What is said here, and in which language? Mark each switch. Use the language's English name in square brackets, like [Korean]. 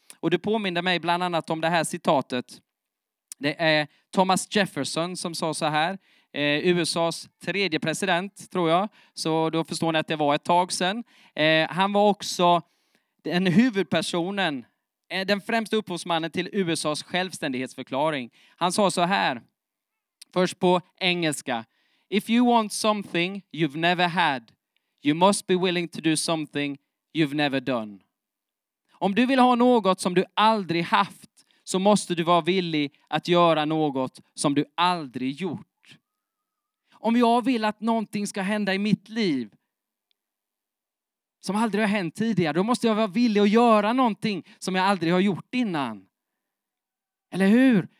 [Swedish] Och det påminner mig bland annat om det här citatet. Det är Thomas Jefferson som sa så här. USAs tredje president, tror jag. Så då förstår ni att det var ett tag sedan. Han var också den huvudpersonen. Den främsta upphovsmannen till USAs självständighetsförklaring. Han sa så här. Först på engelska. [English] If you want something you've never had, you must be willing to do something you've never done. [Swedish] Om du vill ha något som du aldrig haft, så måste du vara villig att göra något som du aldrig gjort. Om jag vill att någonting ska hända i mitt liv som aldrig har hänt tidigare, då måste jag vara villig att göra någonting som jag aldrig har gjort innan. Eller hur?